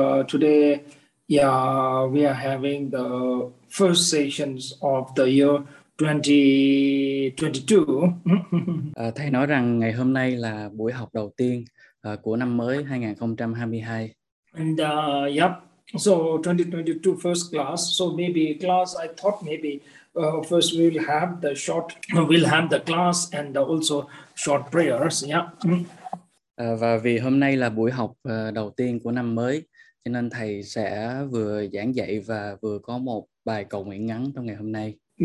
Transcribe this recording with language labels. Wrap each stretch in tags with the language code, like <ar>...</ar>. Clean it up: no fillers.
<en>today, we are having the first sessions of the year 2022.</en> <vi>Thầy nói rằng ngày hôm nay là buổi học đầu tiên của năm mới 2022.</vi> <en>And so 2022 first class. So maybe class, I thought maybe first we'll have the class and also short prayers.</en> <vi>Và vì hôm nay là buổi học đầu tiên của năm mới, cho nên thầy sẽ vừa giảng dạy và vừa có một bài cầu nguyện ngắn trong ngày hôm nay.</vi>